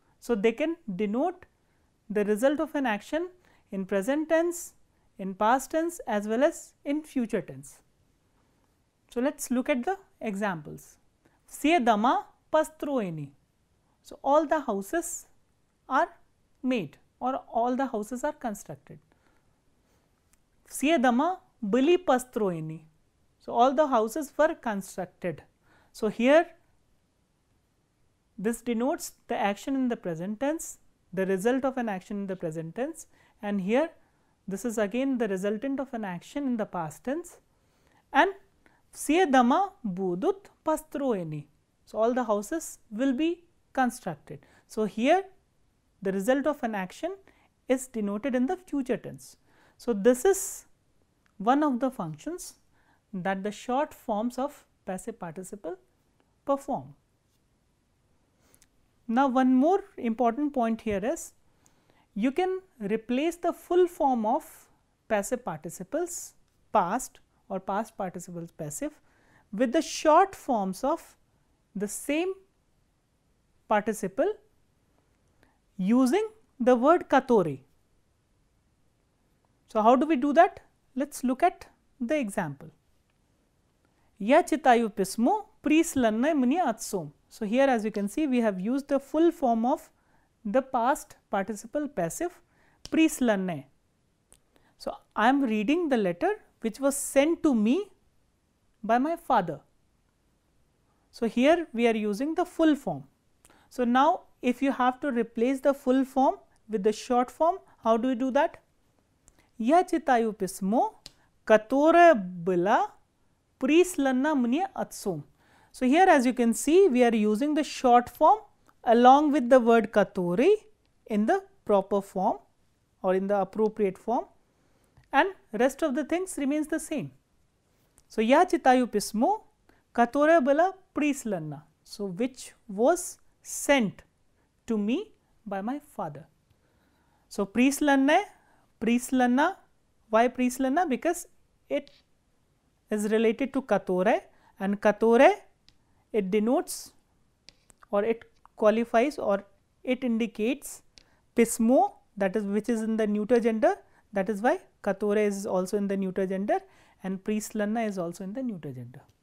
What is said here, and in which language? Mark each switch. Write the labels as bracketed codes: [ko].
[en] So, they can denote the result of an action in present tense, in past tense as well as in future tense. So, let us look at the examples. [ru] Все дома построены. [en] So, all the houses are made or all the houses are constructed. [ru] Все дома были построены. [en] So, all the houses were constructed. So, here this denotes the action in the present tense, the result of an action in the present tense, and here this is again the resultant of an action in the past tense. [ru] And все дома будут построены. [en] So, all the houses will be constructed. So, here the result of an action is denoted in the future tense. So, this is one of the functions that the short forms of passive participle perform. Now, one more important point here is, you can replace the full form of passive participles past or past participles passive with the short forms of the same participle using the word который. So, how do we do that? Let us look at the example. [ru] Я читаю письмо присланное мне отцом. [en] So, here as you can see, we have used the full form of the past participle passive присланное. So, I am reading the letter which was sent to me by my father. So, here we are using the full form. So, now if you have to replace the full form with the short form, how do you do that? [ru] Я читаю письмо, которое было прислано мне отцом. [en] So, here as you can see, we are using the short form along with the word который in the proper form or in the appropriate form, and rest of the things remains the same. [ru] So, я читаю письмо, которое было прислано. [en] So, which was sent to me by my father. [ru] So, прислано, прислано. [en] Why [ru] прислано? [en] Because it is related to которое, and которое, it denotes or it qualifies or it indicates письмо, that is which is in the neuter gender, that is why которое is also in the neuter gender and прислано is also in the neuter gender.